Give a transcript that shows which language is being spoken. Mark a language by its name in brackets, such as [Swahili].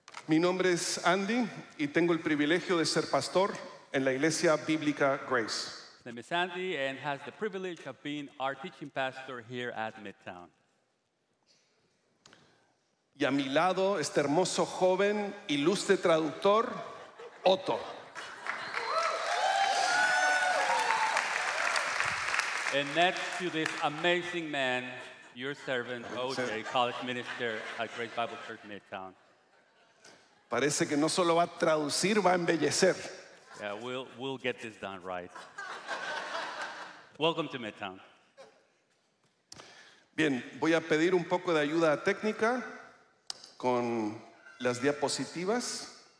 [Spanish] Mi nombre es Andy y tengo el privilegio de ser pastor en la iglesia bíblica Grace. [English] My name is Andy and has the privilege of being our teaching pastor here at Midtown. [Spanish] Y a mi lado este hermoso joven ilustre traductor Otto. [English] And next to this amazing man, your servant OJ, college minister at Grace Bible Church Midtown. [Spanish] Parece que no solo va a traducir, va a embellecer. [English] Yeah, we'll get this done right. Welcome to Midtown. [Spanish] Bien, voy a pedir un poco de ayuda técnica con las diapositivas.